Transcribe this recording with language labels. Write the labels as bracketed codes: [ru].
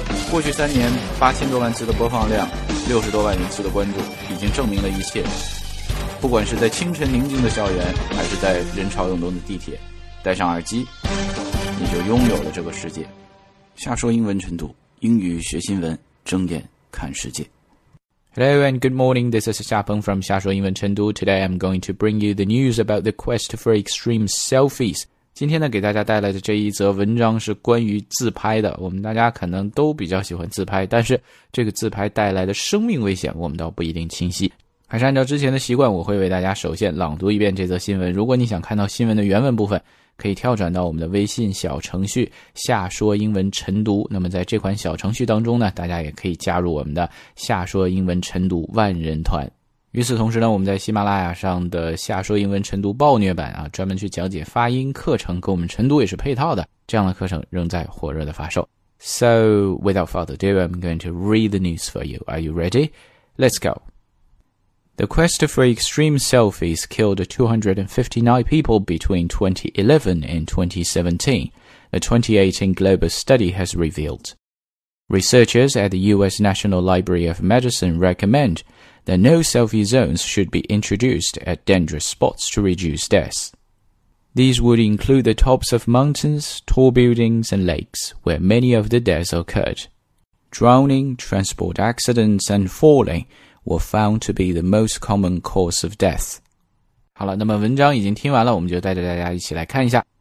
[zh] 过去三年，8000多万次的播放量，60多万人次的关注，已经证明了一切。不管是在清晨宁静的校园，还是在人潮涌动的地铁，戴上耳机，你就拥有了这个世界。下说英文晨读，英语学新闻，睁眼看世界。 [en] Hello and good morning, this is Xiapeng from 夏说英文晨读。 Today I'm going to bring you the news about the quest for extreme selfies. [zh] 今天呢给大家带来的这一则文章是关于自拍的。我们大家可能都比较喜欢自拍，但是这个自拍带来的生命危险我们倒不一定清晰。还是按照之前的习惯，我会为大家首先朗读一遍这则新闻。如果你想看到新闻的原文部分，可以跳转到我们的微信小程序夏说英文晨读，那么在这款小程序当中呢，大家也可以加入我们的夏说英文晨读万人团。与此同时呢，我们在喜马拉雅上的夏说英文晨读暴虐版啊，专门去讲解发音课程，跟我们晨读也是配套的，这样的课程仍在火热的发售。 [en] So without further ado, I'm going to read the news for you. Are you ready? Let's goThe quest for extreme selfies killed 259 people between 2011 and 2017, a 2018 Global study has revealed. Researchers at the U.S. National Library of Medicine recommend that no selfie zones should be introduced at dangerous spots to reduce deaths. These would include the tops of mountains, tall buildings and lakes, where many of the deaths occurred. Drowning, transport accidents and fallingwere found to be the most common cause of death. [zh] 好了，那么文章已经听完了，我们就带着大家一起来看一下。